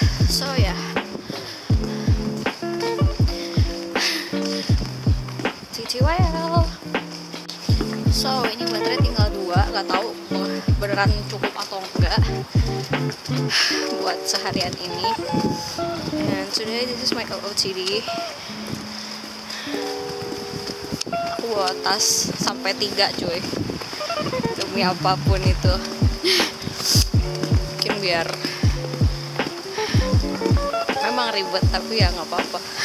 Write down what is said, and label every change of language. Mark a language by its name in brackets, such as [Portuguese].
[Indonesian] So ya, yeah. TTYL. So ini baterai tinggal 2, gak tau beneran cukup atau enggak buat seharian ini. [English] And today this is my OOTD. [Indonesian] Aku bawa tas sampai 3 cuy, demi apapun itu. Mungkin biar memang ribet, tapi ya gak apa-apa.